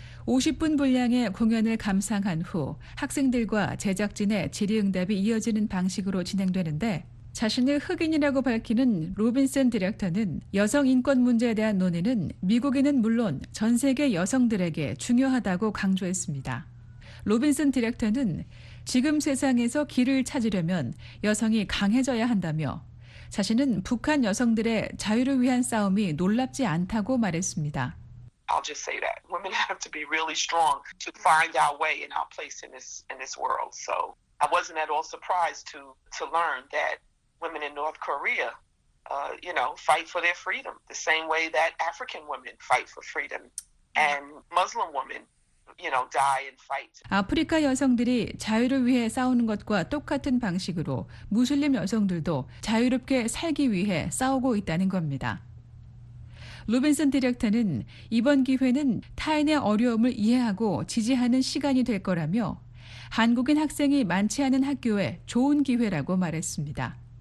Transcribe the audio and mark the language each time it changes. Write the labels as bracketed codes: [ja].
[ko] 50분 분량의 공연을 감상한 후 학생들과 제작진의 질의응답이 이어지는 방식으로 진행되는데 자신을 흑인이라고 밝히는 로빈슨 디렉터는 여성 인권 문제에 대한 논의는 미국인은 물론 전 세계 여성들에게 중요하다고 강조했습니다. 로빈슨 디렉터는 지금 세상에서 길을 찾으려면 여성이 강해져야 한다며 자신은 북한 여성들의 자유를 위한 싸움이 놀랍지 않다고 말했습니다. [en] I'll just say that women have to be really strong to find our way and our place in this world. So I wasn't at all surprised to learn that women in North Korea, you know, fight for their freedom the same way that African women fight for freedom and Muslim women, you know, die and fight. [ko] 아프리카 여성들이 자유를 위해 싸우는 것과 똑같은 방식으로 무슬림 여성들도 자유롭게 살기 위해 싸우고 있다는 겁니다. 로빈슨 디렉터는 이번 기회는 타인의 어려움을 이해하고 지지하는 시간이 될 거라며 한국인 학생이 많지 않은 학교에 좋은 기회라고 말했습니다.